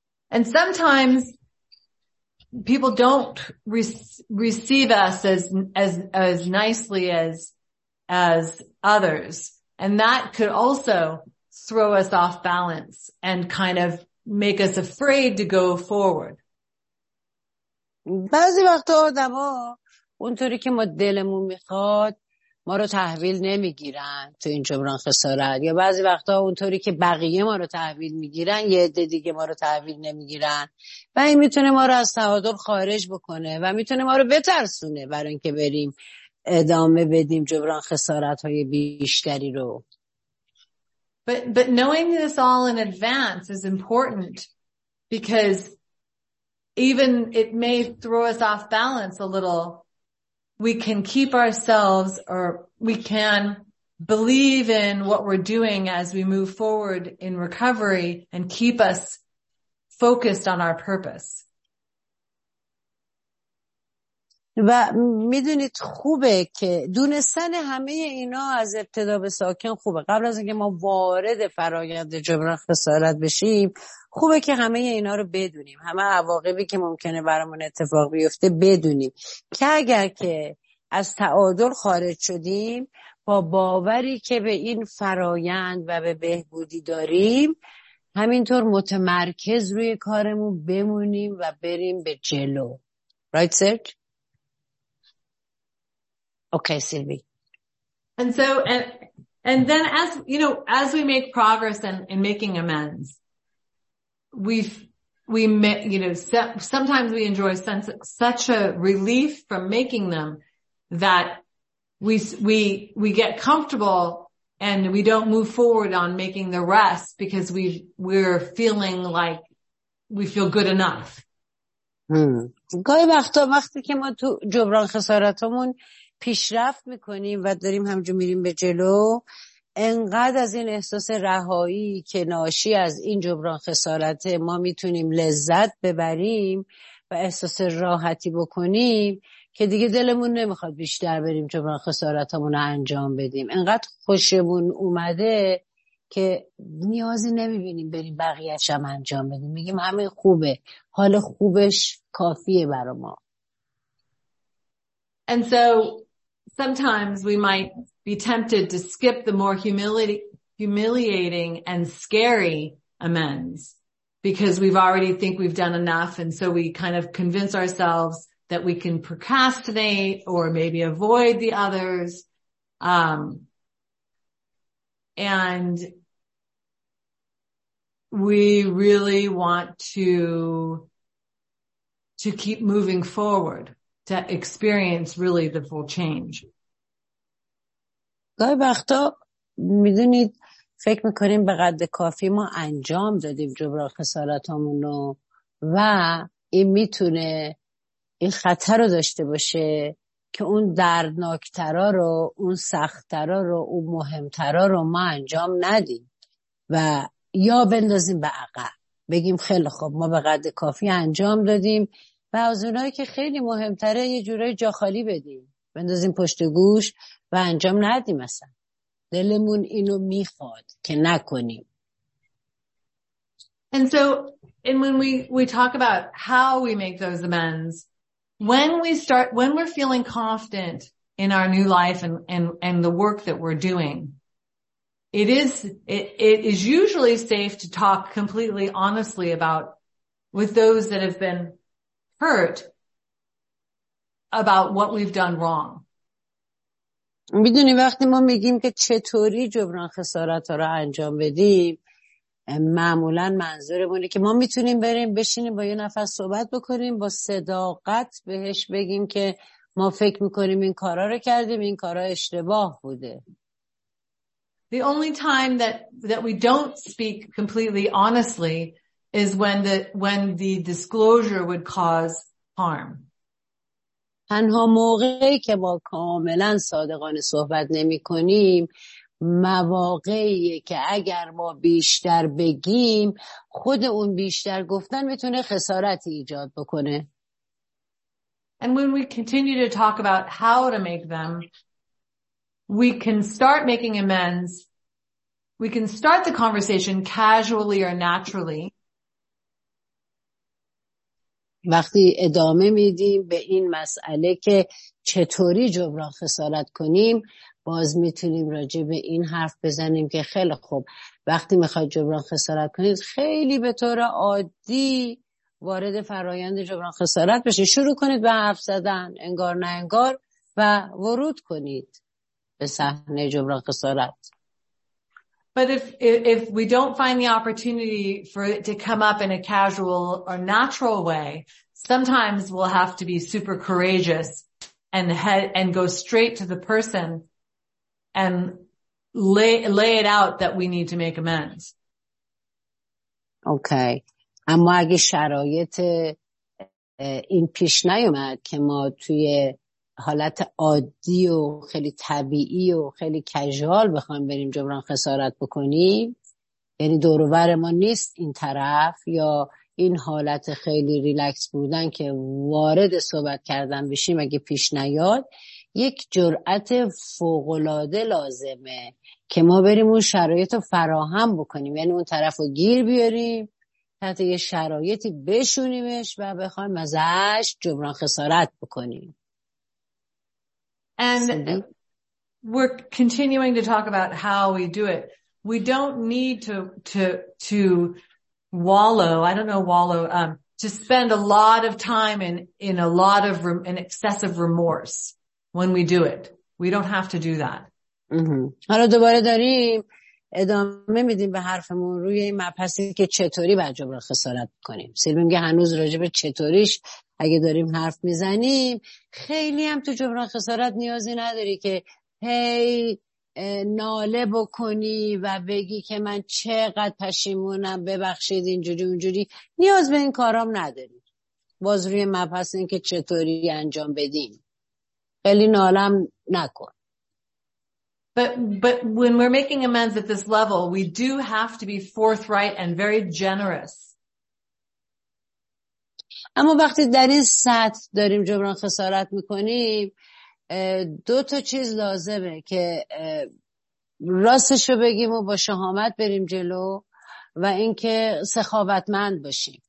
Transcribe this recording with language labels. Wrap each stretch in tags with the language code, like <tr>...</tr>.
<en>And sometimes people don't receive us as nicely as others, and that could also throw us off balance and kind of make us afraid to go forward.</en> <fa>بعضی وقتا آدم ها اونطوری که ما دلمون میخواد ما رو تحویل نمیگیرن تو این جبران خسارت، یا بعضی وقتا اونطوری که بقیه ما رو تحویل میگیرن یه عده دیگه ما رو تحویل نمیگیرن و این میتونه ما رو از تعادل خارج بکنه و میتونه ما رو بترسونه برای اینکه بریم ادامه بدیم جبران خسارت های بیشتری رو.</fa> <en>But knowing this all in advance is important because even it may throw us off balance a little, we can keep ourselves or we can believe in what we're doing as we move forward in recovery and keep us focused on our purpose.</en> <fa>و میدونید خوبه که دونستن همه اینا از ابتدا به ساکن خوبه، قبل از اینکه ما وارد فرایند جبران خسارت بشیم خوبه که همه اینا رو بدونیم، همه عواقبی که ممکنه برامون اتفاق بیفته بدونیم، که اگر که از تعادل خارج شدیم با باوری که به این فرایند و به بهبودی داریم همینطور متمرکز روی کارمون بمونیم و بریم به جلو.</fa> <en>Right, Serge? Okay, Sylvie. And then as you know, as we make progress in making amends, sometimes we enjoy such a relief from making them that we get comfortable and we don't move forward on making the rest because we're feeling like we feel good enough.</en> <fa>گاهی وقتا وقتی که ما تو جبران خسارتمون پیشرفت میکنیم و داریم همجور میریم به جلو، انقدر از این احساس رهایی که ناشی از این جبران خسارت ما میتونیم لذت ببریم و احساس راحتی بکنیم که دیگه دلمون نمیخواد بیشتر بریم جبران خسارتمون رو انجام بدیم، انقدر خوشمون اومده که نیازی نمیبینیم بریم بقیهش هم انجام بدیم، میگیم همه خوبه، حال خوبش کافیه برا ما.</fa> <en>And so sometimes we might be tempted to skip the more humiliating and scary amends because we've already think we've done enough, and so we kind of convince ourselves that we can procrastinate or maybe avoid the others. And we really want to keep moving forward to experience really the full change.</en> <fa>گاهی وقتا میدونید فکر میکنیم به قدر کافی ما انجام دادیم جبران خسارتامون رو و این میتونه این خطر رو داشته باشه که اون دردناکترا رو، اون سختترا رو، اون مهمترا رو ما انجام ندیم و یا بندازیم به عقب، بگیم خیلی خوب ما به قدر کافی انجام دادیم و از اونایی که خیلی مهمتره یه جورای جا خالی بدیم، بندازیم پشت گوش و انجام ندیم، مثلا دلمون اینو میخواد که نکنیم.</fa> <en>And so, and when we talk about how we make those amends, when we're feeling confident in our new life and the work that we're doing, it is usually safe to talk completely honestly about with those that have been hurt about what we've done wrong.</en> <fa>میدونی وقتی ما میگیم که چطوری جبران خسارت ها رو انجام بدیم معمولا منظورمونه که ما میتونیم بریم بشینیم با یه نفر صحبت بکنیم با صداقت بهش بگیم که ما فکر میکنیم این کارا رو کردیم این کارا اشتباه بوده.</fa> <en>The only time that we don't speak completely honestly is when the disclosure would cause harm.</en> <fa>تنها موقعی که با کاملا صادقانه صحبت نمی کنیم مواقعیه که اگر ما بیشتر بگیم خود اون بیشتر گفتن میتونه خسارتی ایجاد بکنه.</fa> <en>And when we continue to talk about how to make them, we can start making amends. We can start the conversation casually or naturally.</en> <fa>وقتی ادامه میدیم به این مسئله که چطوری جبران خسارت کنیم باز میتونیم راجع به این حرف بزنیم که خیلی خوب وقتی میخواید جبران خسارت کنید خیلی به طور عادی وارد فرایند جبران خسارت بشید شروع کنید به حرف زدن انگار نه انگار و ورود کنید به صحنه جبران خسارت.</fa> <en>But if we don't find the opportunity for it to come up in a casual or natural way, sometimes we'll have to be super courageous and head and go straight to the person and lay it out that we need to make amends. Okay.</en> <fa>اما اگه شرایط این پیش نیومد که ما توی حالت عادی و خیلی طبیعی و خیلی کژوال بخوایم بریم جبران خسارت بکنیم یعنی دور و بر ما نیست این طرف یا این حالت خیلی ریلکس بودن که وارد صحبت کردن بشیم اگه پیش نیاد یک جرأت فوق‌العاده لازمه که ما بریم اون شرایط رو فراهم بکنیم یعنی اون طرف رو گیر بیاریم تحت یه شرایطی بشونیمش و بخوایم ازش جبران خسارت بکنیم.</fa> <en>And we're continuing to talk about how we do it. We don't need to wallow. I don't know wallow. To spend a lot of time in excessive remorse when we do it. We don't have to do that.</en> <fa>حالا دوباره داریم ادامه میدیم به حرفمون روی این مبحثی که چطوری باید جبران خسارت کنیم. سیلوی میگه هنوز راجع به چطوریش اگه داریم حرف میزنیم خیلی هم تو جبران خسارت نیازی نداری که هی ناله بکنی و بگی که من چقدر پشیمونم ببخشید اینجوری اونجوری نیاز به این کارام نداری. باز روی مبحث این که چطوری انجام بدیم خیلی نالم نکن.</fa> <en>But when we're making amends at this level, we do have to be forthright and very generous.</en> <fa>اما وقتی در این سطح داریم جبران خسارت میکنیم دو تا چیز لازمه که راستشو بگیم و با شهامت بریم جلو و اینکه سخاوتمند باشیم.</fa>